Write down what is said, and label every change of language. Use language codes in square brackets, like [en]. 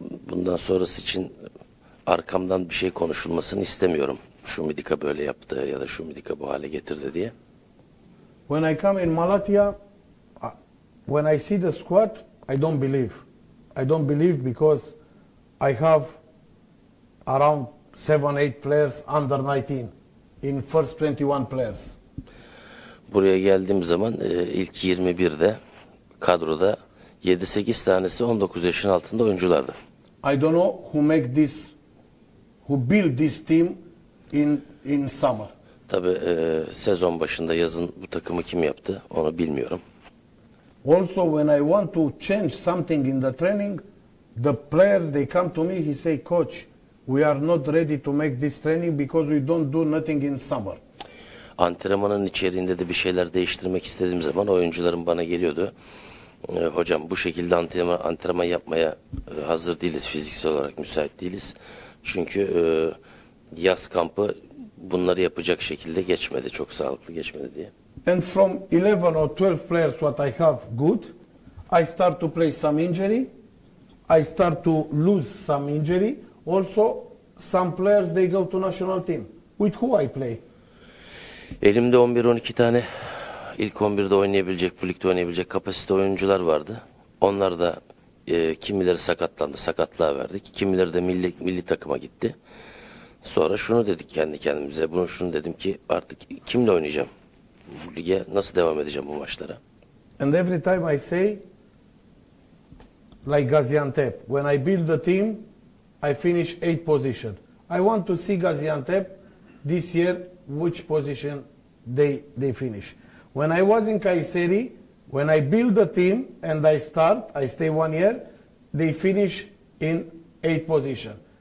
[tr] Bundan sonrası için arkamdan bir şey konuşulmasını istemiyorum. Şumidika böyle yaptı ya da Şumidika bu hale getirdi diye. [en] When I come in Malatya, when I see the squad, I don't believe. I don't believe because I have around 7-8 players under 19 in first 21 players. [tr] Buraya geldiğim zaman ilk 21'de kadroda 7-8 tanesi 19 yaşın altında oyunculardı. [en] I don't know who make this, who build this team in summer. [tr] Tabii sezon başında yazın bu takımı kim yaptı onu bilmiyorum. [en] Also when I want to change something in the training, the players they come to me, he say, coach, we are not ready to make this training because we don't do nothing in summer. [tr] Antrenmanın içeriğinde de bir şeyler değiştirmek istediğim zaman oyuncularım bana geliyordu. Hocam bu şekilde antrenman yapmaya hazır değiliz, fiziksel olarak müsait değiliz. Çünkü yaz kampı bunları yapacak şekilde geçmedi, çok sağlıklı geçmedi diye. [en] And from 11 or 12 players what I have good, I start to play some injury, I start to lose some injury. Also some players they go to national team. With who I play? [tr] Elimde 11-12 tane ilk 11'de oynayabilecek, bu ligde oynayabilecek kapasite oyuncular vardı. Onlar da kimileri sakatlandı, sakatlığa verdik. Kimileri de milli takıma gitti. Sonra şunu dedik kendi kendimize, şunu dedim ki artık kimle oynayacağım? Bu lige nasıl devam edeceğim bu maçlara? [en] And every time I say, like Gaziantep, when I build the team, I finish 8th position. I want to see Gaziantep this year, which position they finish. When I was in Kayseri, when I build the team and I start, I stay 1 year, they finish in 8th position.